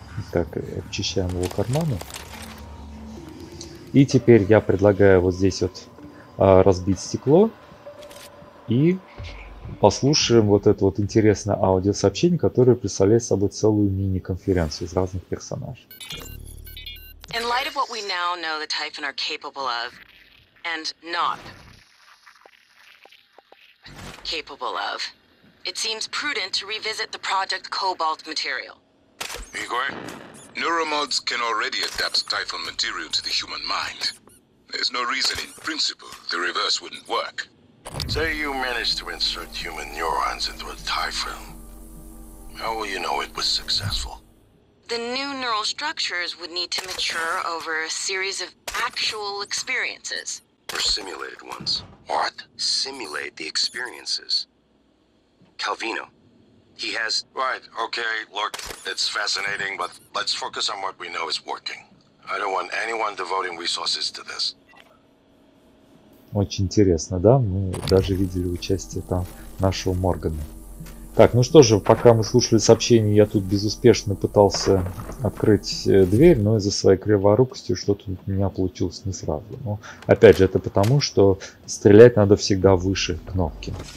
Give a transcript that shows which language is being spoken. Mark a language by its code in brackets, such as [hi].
[ru] Так, очищаем его карманы. И теперь я предлагаю вот здесь вот разбить стекло. И послушаем вот это вот интересное аудиосообщение, которое представляет собой целую мини-конференцию из разных персонажей. [en] In light of what we now know the Typhon are capable of, and not capable of, it seems prudent to revisit the Project Cobalt material. Igor, neuromods can already adapt Typhon material to the human mind. There's no reason in principle the reverse wouldn't work. Say you managed to insert human neurons into a Typhon. How will you know it was successful? The new neural structures would need to mature over a series of actual experiences. Or simulated ones. What? Simulate the experiences. Calvino. He has... Right, okay, look, it's fascinating, but let's focus on what we know is working. I don't want anyone devoting resources to this. [ru] Очень интересно, да? Мы даже видели участие там нашего Моргана. Так, ну что же, пока мы слушали сообщение, я тут безуспешно пытался открыть дверь, но из-за своей криворукости что-то у меня получилось не сразу. Но опять же, это потому, что стрелять надо всегда выше кнопки.